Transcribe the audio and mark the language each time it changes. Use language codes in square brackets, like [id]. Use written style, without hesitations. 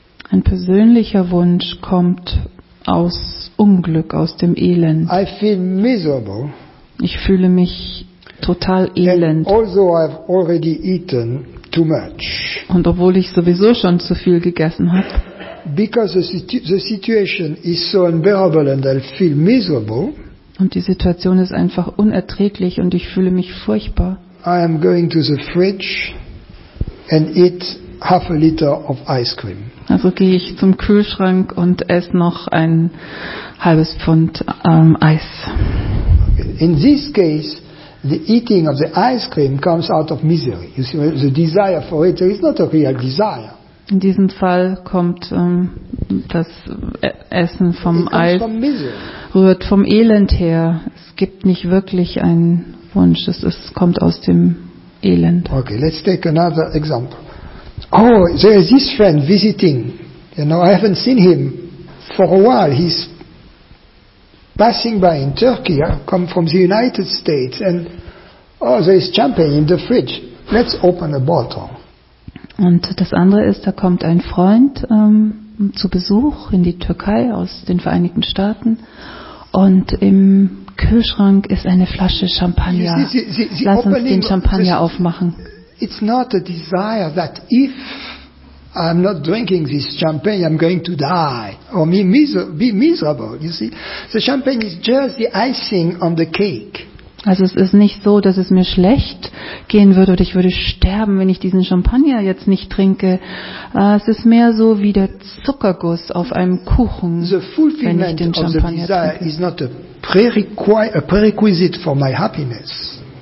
[de] Ein persönlicher Wunsch kommt aus Unglück, aus dem Elend. [en] I feel miserable. [de] Ich fühle mich total elend. [en] Although I've already eaten too much. [de] Und obwohl ich sowieso schon zu viel gegessen habe. [en] Because the situation is so unbearable and I feel miserable. [de] Und die Situation ist einfach unerträglich und ich fühle mich furchtbar. [en] I am going to the fridge and eat half a liter of ice cream. [de] Also gehe ich zum Kühlschrank und esse noch ein halbes Pfund Eis. [en] In this case, the eating of the ice cream comes out of misery. You see, the desire for it, there is not a real desire. [de] In diesem Fall kommt das Essen vom Eis, rührt vom Elend her. Es gibt nicht wirklich einen Wunsch, es kommt aus dem Elend. [en] Okay, let's take another example. Oh, there is this friend visiting. You know, I haven't seen him for a while. He's passing by in Turkey, I come from the United States, and oh, there is champagne in the fridge. Let's open a bottle. [de] Und das andere ist, da kommt ein Freund zu Besuch in die Türkei aus den Vereinigten Staaten, und im Kühlschrank ist eine Flasche Champagner. Lass uns den Champagner aufmachen. [en] It's not a desire that if I'm not drinking this champagne, I'm going to die or be miserable. You see, the champagne is just the icing on the cake. [de] Also es ist nicht so, dass es mir schlecht gehen würde oder ich würde sterben, wenn ich diesen Champagner jetzt nicht trinke. Es ist mehr so wie der Zuckerguss auf einem Kuchen, wenn ich den Champagner trinke. [en] Is not a prerequisite for my happiness.